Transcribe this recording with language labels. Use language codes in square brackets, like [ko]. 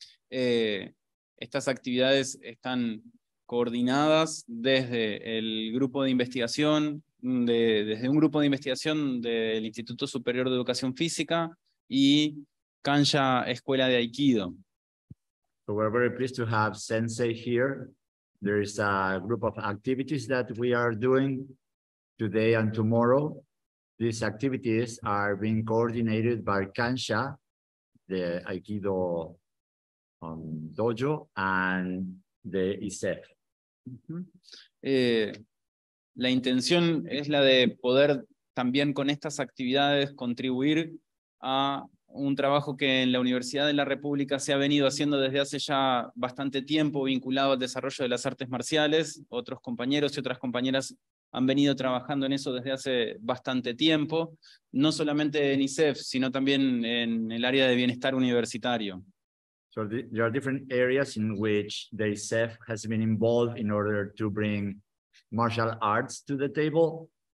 [es] Estas actividades están coordinadas desde el grupo de investigación, desde un grupo de investigación del Instituto Superior de Educación Física y Kanja Escuela de Aikido. [en] So we're very pleased to have Sensei here. There is a group of activities that we are doing today and tomorrow. These activities are being coordinated by Kanja, the Aikido dojo, and the ISEF. [es] La intención es la de poder también con estas actividades contribuir a un trabajo que en la Universidad de la República se ha venido haciendo desde hace ya bastante tiempo vinculado al desarrollo de las artes marciales. Otros compañeros y otras compañeras han venido trabajando en eso desde hace bastante tiempo, no solamente en ISEF, sino también en el área de bienestar universitario. [en] So there are different areas in which the ISEF has been involved in order to bring martial arts to the table.